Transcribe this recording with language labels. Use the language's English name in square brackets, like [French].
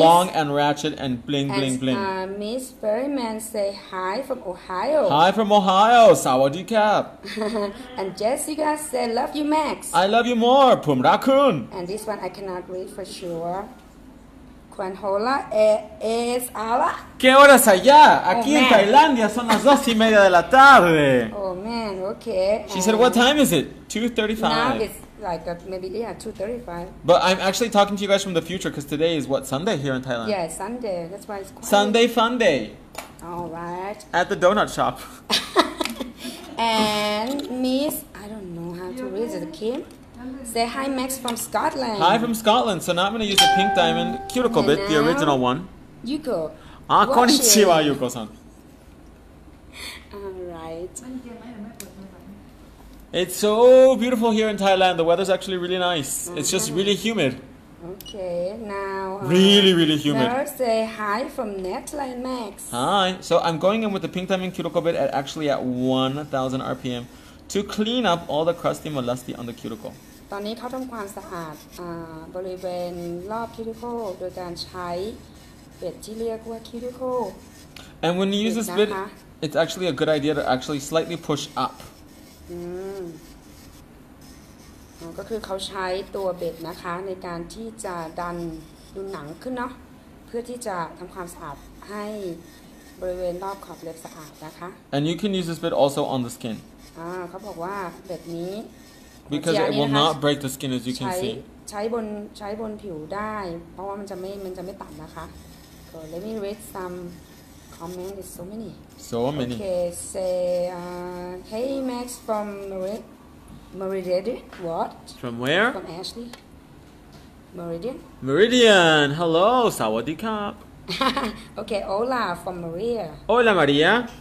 [English] long and ratchet and bling and, bling bling. Miss Berryman say hi from Ohio. Hi from Ohio, [Thai] sawadee kap. [English] And Jessica say love you Max. I love you more, Pum Rakun. And this one I cannot read for sure. Quan hola es ala. [Spanish] ¿Qué hora es allá? Aquí en Tailandia son las 2:30 de la tarde. [English] Oh man, okay. She said, what time is it? 2:35. Now it's like maybe 2:35. But I'm actually talking to you guys from the future because today is what, Sunday here in Thailand? Yeah, Sunday. That's why it's quiet. Sunday fun day. All right. At the donut shop. And Miss, I don't know how to read it, Kim. Say hi, Max from Scotland. Hi from Scotland. So now I'm going to use a pink diamond cuticle bit, the original one. Yuko. [Japanese] Ah, konnichiwa, Yuko-san. [English] All right. It's so beautiful here in Thailand. The weather's actually really nice. Mm-hmm. It's just really humid. Okay, now... Really, really humid. Now say hi from Netland, Max. Hi. So I'm going in with the pink diamond cuticle bit at 1,000 RPM to clean up all the crusty molasses on the cuticle. [Thai] ตอนนี้เขาทำความสะอาดบริเวณรอบคิวติเคิลโดยการใช้เบ็ดที่เรียกว่าคิวติเคิล [English] And when you use this bit, it's actually a good idea to actually slightly push up. [Thai] ก็คือเขาใช้ตัวเบ็ดนะคะในการที่จะดันดูหนังขึ้นเนาะเพื่อที่จะทำความสะอาดให้บริเวณรอบขอบเล็บสะอาดนะคะ [English] And you can use this bit also on the skin. [Thai] เขาบอกว่าเบ็ดนี้ [English] Because it will not break the skin as you can see. [Thai] ใช้บนผิวได้เพราะว่ามันจะไม่ตันนะคะ [English] So let me read some comments. There's so many. So many. Okay, say, hey Max from Meridian. What? From where? From Ashley. Meridian. Meridian. Hello. [Thai] Sawadee kap. [English] Okay. Hola from Maria. [Spanish] Hola Maria.